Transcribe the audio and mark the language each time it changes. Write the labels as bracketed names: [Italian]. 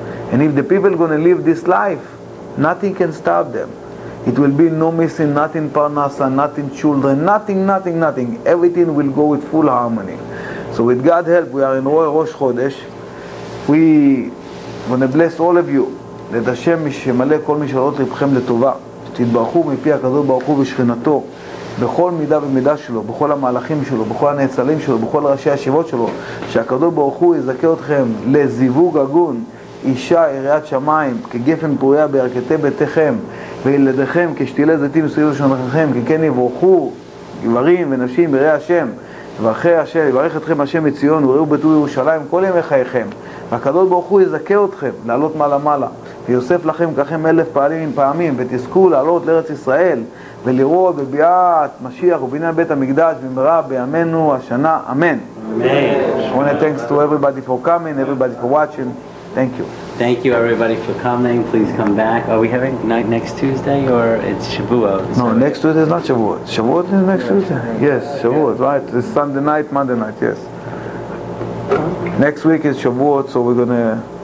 [English] And if the people are going to live this life, nothing can stop them. It will be no missing, nothing parnasa, nothing children, nothing. Everything will go with full harmony. So with God's help, we are in Rosh Chodesh. We want to bless all of you. [Hebrew] לד השם שמלא כל משאלות לבכם לטובה, שתתברכו מפי הקדוש ברוך הוא ושכינתו, בכל מידה ומידה שלו, בכל המהלכים שלו, בכל הנאצלים שלו, בכל ראשי השיבות שלו, שהקדוש ברוך הוא יזכה אתכם לזיווג הגון, אישה עיריית שמיים, כגפן פוריה בירקתי ביתכם, וילדיכם כשתילי זיתים מסביב לשונכם, כי כן יברכו גברים ונשים יראי השם, ואחרי השם, יברך אתכם השם מציון, וראו בטוב ירושלים כל ימי חייכם, והקדוש ברוך הוא יזכה אתכם לעלות מעלה מעלה. ויוסף לכם ככם אלף פעלים עם פעמים, ותזכו לעלות לארץ ישראל, ולראות בביאת משיח ובניין בית המקדש, במהרה בימינו השנה, אמן. אמן. [English] I want to thanks to everybody for coming, everybody for watching. Thank you. Thank you everybody for coming. Please come back. Are we having next Tuesday or it's Shavuot? No, next Tuesday is not Shavuot. Shavuot is next Tuesday. Yes, Shavuot, right? It's Sunday night, Monday night, yes. Next week is Shavuot, so we're going to...